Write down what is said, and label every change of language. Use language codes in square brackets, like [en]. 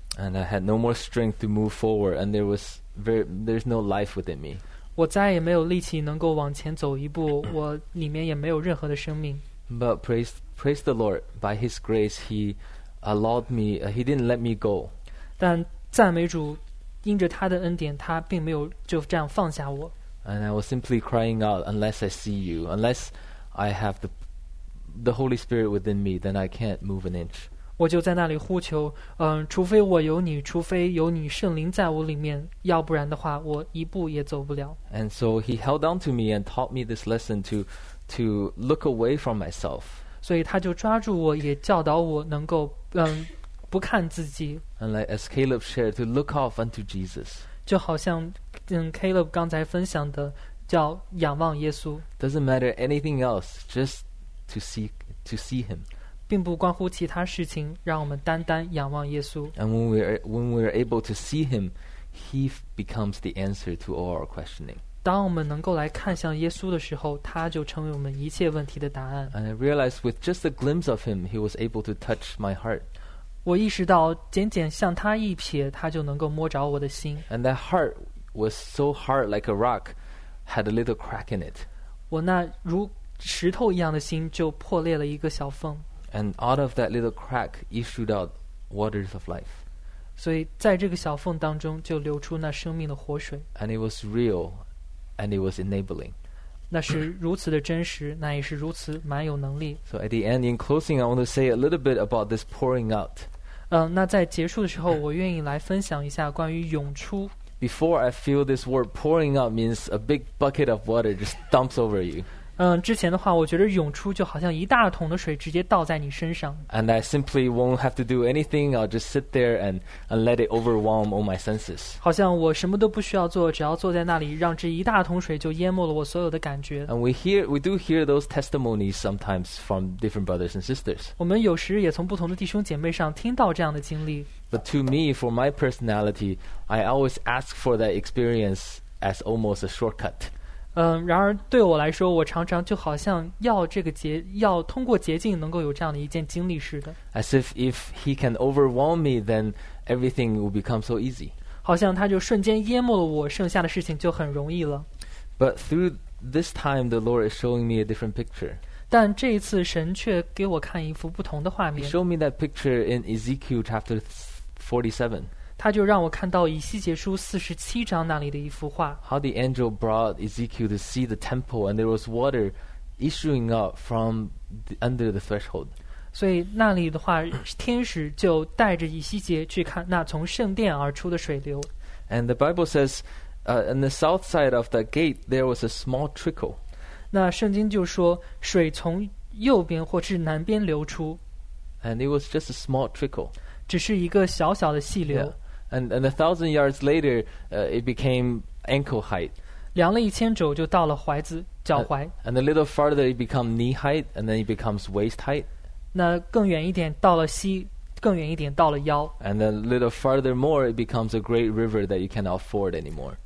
[en] And I had no more strength to move forward, and there's no life within me. [zh] 我再也没有力气能够往前走一步，我里面也没有任何的生命。 [en] But praise the Lord, by His grace, He allowed me. He didn't let me go. [zh] 但赞美主，因着他的恩典，他并没有就这样放下我。 [en] And I was simply crying out, unless I see you, unless I have the Holy Spirit within me, then I can't move an inch. [zh] 我就在那里呼求，除非我有你，除非有你圣灵在我里面，要不然的话，我一步也走不了。 [en] And so he held on to me and taught me this lesson to look away from myself. [zh] 所以他就抓住我，也教导我能够不看自己。 [en] And like as Caleb shared, to look off unto Jesus. [zh] 就好像Caleb 刚才分享的叫仰望耶稣。 [en] Doesn't matter anything else, just to see him. [zh] 并不关乎其他事情，让我们单单仰望耶稣。 [en] And when we are able to see him, he becomes the answer to all our questioning. [zh] 当我们能够来看向耶稣的时候，他就成为我们一切问题的答案。 [en] And I realized with just a glimpse of him, he was able to touch my heart. [zh] 我意识到简简向他一瞥，他就能够摸着我的心。 [en] And that heart was so hard like a rock, had a little crack in it. [zh] 我那如石头一样的心就破裂了一个小缝。 [en] And out of that little crack issued out waters of life. [zh] 所以在这个小缝当中就流出那生命的活水。 [en] And it was real, and it was enabling. [zh] 那是如此的真实，那也是如此蛮有能力。 [en] So at the end, in closing, I want to say a little bit about this pouring out. [zh] 那在结束的时候，我愿意来分享一下关于涌出。 [en] Before, I feel this word pouring out means a big bucket of water just dumps over you. [zh] 之前的话我觉得涌出就好像一大桶的水直接倒在你身上。 [en] And I simply won't have to do anything. I'll just sit there and let it overwhelm all my senses. [zh] 好像我什么都不需要做，只要坐在那里让这一大桶水就淹没了我所有的感觉。 [en] And we do hear those testimonies sometimes from different brothers and sisters. [zh] 我们有时也从不同的弟兄姐妹上听到这样的经历。 [en] But to me, for my personality, I always ask for that experience as almost a shortcut. [zh] 然而对我来说，我常常就好像要这个捷，要通过捷径能够有这样的一件经历似的。 [en] As if he can overwhelm me, then everything will become so easy. [zh] 好像他就瞬间淹没了我，剩下的事情就很容易了。 [en] But through this time, the Lord is showing me a different picture. [zh] 但这一次神却给我看一幅不同的画面。 [en] He showed me that picture in Ezekiel chapter 47. [zh] 他就让我看到以西结书47章那里的一幅画。 [en] How the angel brought Ezekiel to see the temple, and there was water issuing out from under the threshold. [zh] 所以那里的话，天使就带着以西结去看那从圣殿而出的水流。 [en] And the Bible says, in the south side of the gate, there was a small trickle. [zh] 那圣经就说水从右边或是南边流出。 [en] And it was just a small trickle. [zh] 只是一个小小的细流。 [en] Yeah. And 1,000 yards later, it became ankle height. [zh] 量了一千肘就到了踝子脚踝。 [en] And a little farther, it became knee height, and then it becomes waist height. [zh] 那更远一点到了膝，更远一点到了腰。 [en] And a little farther more, it becomes a great river that you cannot ford anymore.